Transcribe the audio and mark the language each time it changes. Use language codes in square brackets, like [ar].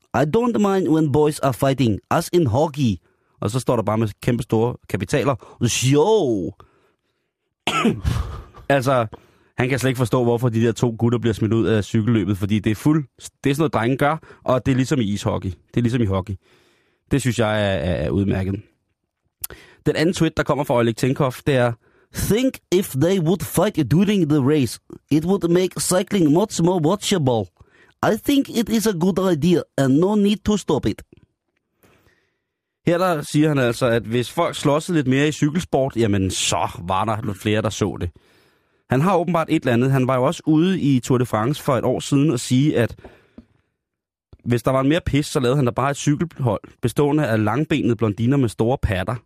[en] I don't mind when boys are fighting, as in hockey." [da] Og så står der bare med kæmpe store kapitaler: "Jo!" Altså, han kan slet ikke forstå, hvorfor de der to gutter bliver smidt ud af cykelløbet, fordi det er fuld. Det er sådan noget, drenge gør, og det er ligesom i ishockey. Det er ligesom i hockey. Det synes jeg er udmærket. Den anden tweet, der kommer fra Oleg Tenkov, det er: [en] "Think if they would fight during the race, it would make cycling much more watchable. I think it is a good idea, and no need to stop it." [da] Her der siger han altså, at hvis folk slåsede lidt mere i cykelsport, jamen så var der lidt flere, der så det. Han har åbenbart et eller andet. Han var jo også ude i Tour de France for et år siden og sige, at hvis der var en mere pis, så lavede han da bare et cykelhold, bestående af langbenede blondiner med store patter.